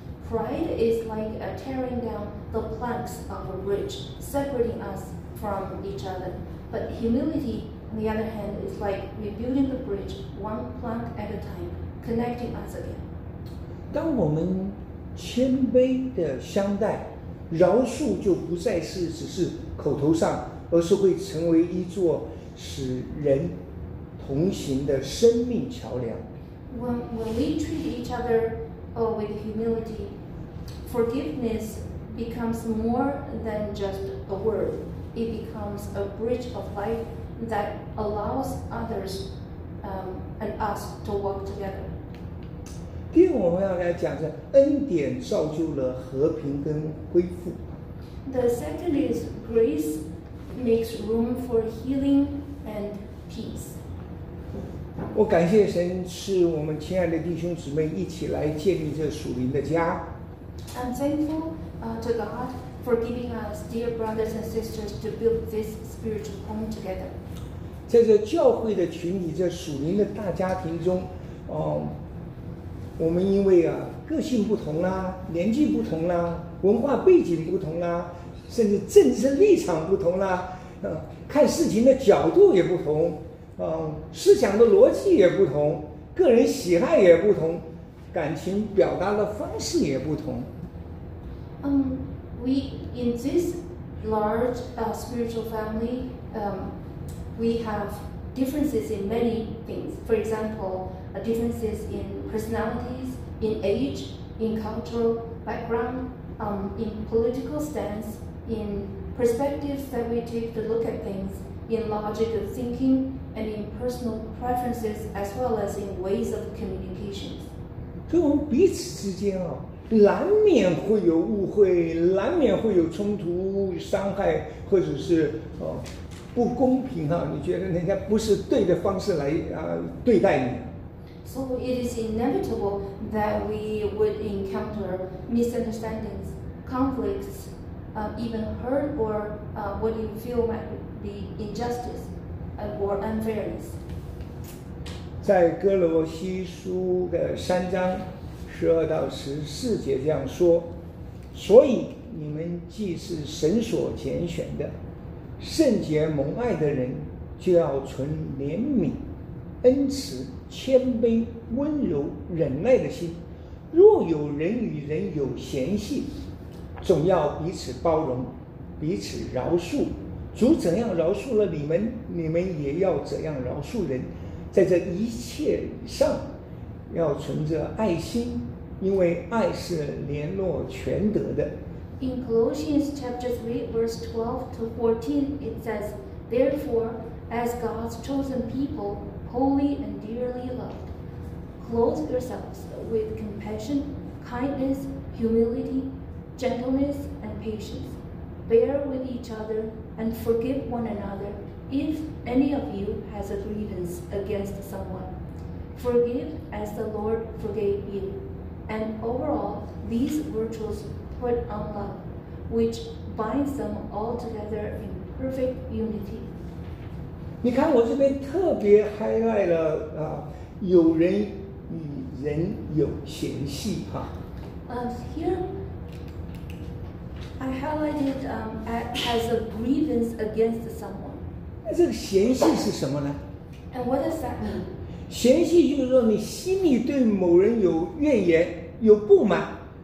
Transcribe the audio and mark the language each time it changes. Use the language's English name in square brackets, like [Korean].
[English] Pride is like tearing down the planks of a bridge, separating us from each other. But humility, on the other hand, is like rebuilding the bridge one plank at a time, connecting us again. [Chinese] 当我们谦卑的相待，饶恕就不再是只是口头上。而是会成为一座使人同行的生命桥梁。 [English] When we treat each other with humility, forgiveness becomes more than just a word. It becomes a bridge of life that allows others and us to walk together. [Chinese] 第二，我们要来讲的恩典造就了和平跟恢复。 [English] The second is grace. Makes room for healing and peace. [Chinese] 我感谢神，是我们亲爱的弟兄姊妹一起来建立这属灵的家。 [English] I'm thankful to God for giving us dear brothers and sisters to build this spiritual home together. [Chinese] 在这教会的群体，这属灵的大家庭中，我们因为个性不同啦，年纪不同啦，文化背景不同啦。甚至政治立场不同了，看事情的角度也不同，思想的逻辑也不同，个人喜爱也不同，感情表达的方式也不同。 [English] We in this large spiritual family, we have differences in many things. For example, differences in personalities, in age, in cultural background, in political stance, in perspectives that we take to look at things, in logic of thinking, and in personal preferences, as well as in ways of communication. [Chinese] 所以我们彼此之间啊，难免会有误会，难免会有冲突、伤害，或者是不公平啊，你觉得人家不是对的方式来对待你。 [English] So it is inevitable that we would encounter misunderstandings, conflicts, even hurt or what you feel might be injustice or unfairness. [Chinese] 在哥罗西书的三章十二到十四节这样说，所以你们既是神所拣选的圣洁蒙爱的人，就要存怜悯、恩慈、谦卑、温柔、忍耐的心。若有人与人有嫌隙，总要彼此包容，彼此饶恕。主怎样饶恕了你们，你们也要怎样饶恕人。在这一切上要存着爱心，因为爱是联络全德的。 [English] In Colossians chapter 3, verse 12 to 14, it says, Therefore, as God's chosen people, holy and dearly loved, clothe yourselves with compassion, kindness, humility, gentleness, and patience. Bear with each other and forgive one another if any of you has a grievance against someone. Forgive as the Lord forgave you. And overall, these virtues put on love, which binds them all together in perfect unity. [Chinese] 你看我这边特别 highlight 了有人与人有嫌隙哈。 [English] Here, I highlighted as a grievance against someone. [Chinese] 那这个嫌隙是什么呢？ [English] And what does that mean? [Chinese] 嫌隙就是说你心里对某人有怨言，有不满。